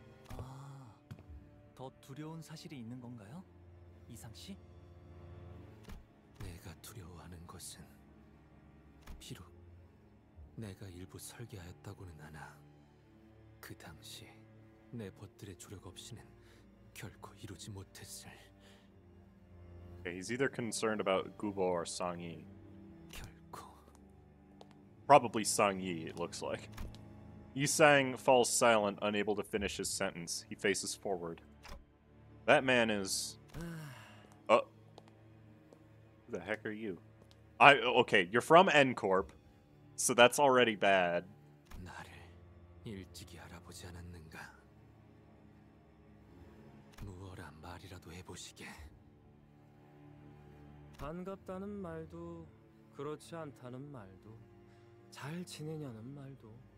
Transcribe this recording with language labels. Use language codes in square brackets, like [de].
[ko] 아, 더 두려운 사실이 있는 건가요, 이상 씨? 내가 두려워하는 것은 비록 내가 일부 설계하였다고는 하나 그 당시 내 벗들의 조력 없이는 결코 이루지 못했을. [en] Okay, he's either concerned about Gubo or Sang-yi. [ko] 결코. [en] Probably Sang-yi, it looks like. Yi-sang falls silent, unable to finish his sentence. He faces forward. That man is... Who the heck are you? Okay, you're from N-Corp, so that's already bad. [ko] 나를 일찍이 알아보지 않았는가? 무어라 말이라도 해보시게. 반갑다는 말도, 그렇지 않다는 말도, 잘 지내냐는 말도.